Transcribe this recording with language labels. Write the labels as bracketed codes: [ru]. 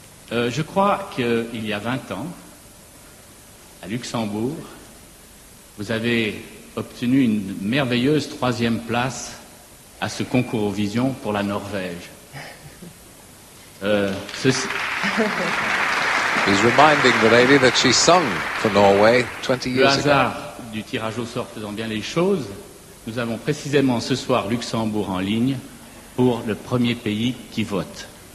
[fr] Je crois qu'il y a 20 ans, à Luxembourg, vous avez obtenu une merveilleuse troisième place à ce concours Eurovision pour la Norvège. [en] He's reminding the lady that she sung for Norway 20 years ago. [fr] Le hasard du tirage au sort faisant bien les choses, nous avons précisément ce soir Luxembourg en ligne pour le premier pays qui vote.